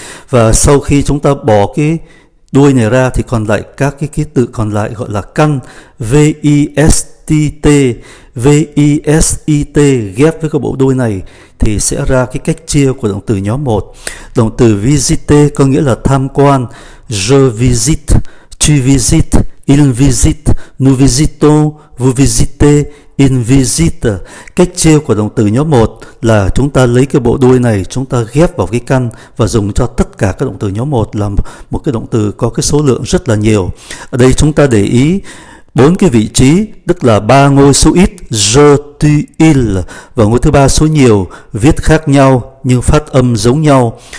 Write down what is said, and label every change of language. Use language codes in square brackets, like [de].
[vi] Và sau khi chúng ta bỏ cái đuôi này ra thì còn lại các cái ký tự còn lại gọi là căn. V-I-S, T-T, V-I-S-I-T ghép với cái bộ đuôi này thì sẽ ra cái cách chia của động từ nhóm 1. Động từ visiter có nghĩa là tham quan. [fr] Je visite, tu visites, il visite, nous visitons, vous visitez, il visite. [vi] Cách chia của động từ nhóm 1 là chúng ta lấy cái bộ đuôi này, chúng ta ghép vào cái căn và dùng cho tất cả các động từ nhóm 1, là một cái động từ có cái số lượng rất là nhiều. Ở đây chúng ta để ý bốn cái vị trí, tức là ba ngôi số ít, je, tu, il, và ngôi thứ ba số nhiều, viết khác nhau nhưng phát âm giống nhau.